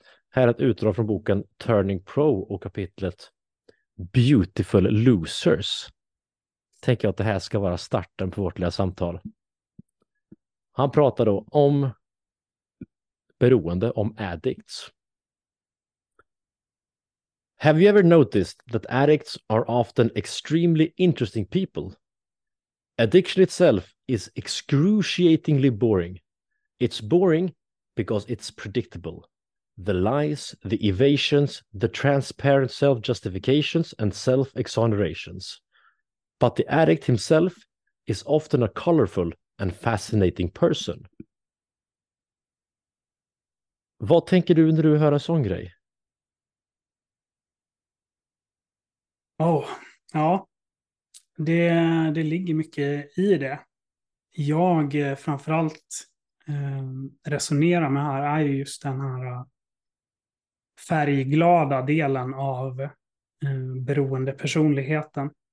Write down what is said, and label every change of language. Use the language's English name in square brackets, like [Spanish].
[Swedish] Här är ett utdrag från boken Turning Pro och kapitlet Beautiful Losers. Tänker jag att det här ska vara starten på vårt lilla samtal. Han pratar då om beroende, om addicts. [English] Have you ever noticed that addicts are often extremely interesting people? Addiction itself is excruciatingly boring. It's boring because it's predictable. The lies, the evasions, the transparent self-justifications and self-exonerations. But the addict himself is often a colorful and fascinating person. [Swedish] Vad tänker du när du hör en sån grej? Oh, ja. Det ligger mycket i det. Jag framförallt resonerar med här är just den här färgglada delen av beroendepersonligheten.